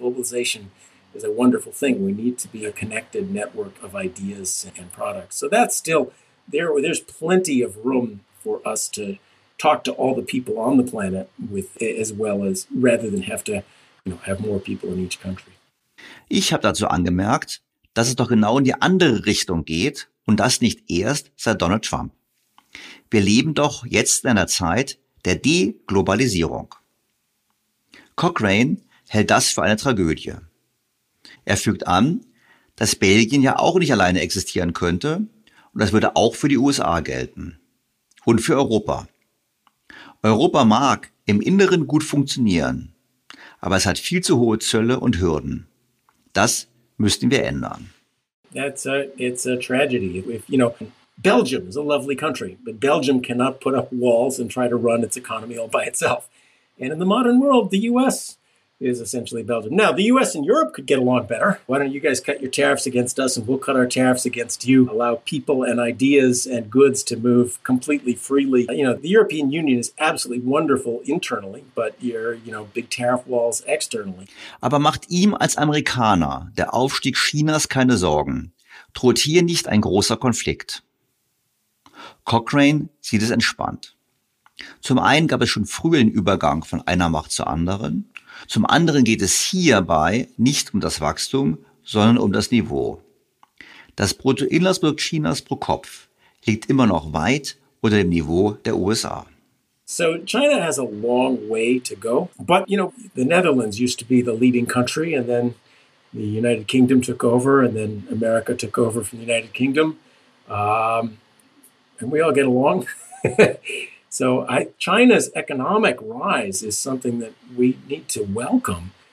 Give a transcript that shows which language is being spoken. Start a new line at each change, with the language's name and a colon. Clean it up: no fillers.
English: Globalization is a wonderful thing. We need to be a connected network of ideas and products. So that's still there. There's plenty of room for us to talk to all the people on the planet with, as well as rather than have to have more people in each country.
German: Ich habe dazu angemerkt, dass es doch genau in die andere Richtung geht und das nicht erst seit Donald Trump. Wir leben doch jetzt in einer Zeit der Deglobalisierung. Cochrane hält das für eine Tragödie. Er fügt an, dass Belgien ja auch nicht alleine existieren könnte und das würde auch für die USA gelten und für Europa. Europa mag im Inneren gut funktionieren, aber es hat viel zu hohe Zölle und Hürden. Das müssten wir ändern.
English: It's a tragedy. Belgium is a lovely country, but Belgium cannot put up walls and try to run its economy all by itself. And in the modern world, the U.S. is essentially Belgium. Now, the U.S. and Europe could get along better. Why don't you guys cut your tariffs against us and we'll cut our tariffs against you, allow people and ideas and goods to move completely freely. The European Union is absolutely wonderful internally, but your big tariff walls externally.
German: Aber macht ihm als Amerikaner der Aufstieg Chinas keine Sorgen, droht hier nicht ein großer Konflikt. Cochrane sieht es entspannt. Zum einen gab es schon früh den Übergang von einer Macht zur anderen. Zum anderen geht es hierbei nicht um das Wachstum, sondern um das Niveau. Das Bruttoinlandsprodukt Chinas pro Kopf liegt immer noch weit unter dem Niveau der USA.
English: So China has a long way to go. But, the Netherlands used to be the leading country and then the United Kingdom took over and then America took over from the United Kingdom. And we all get along. So China's economic rise is something that we need to welcome.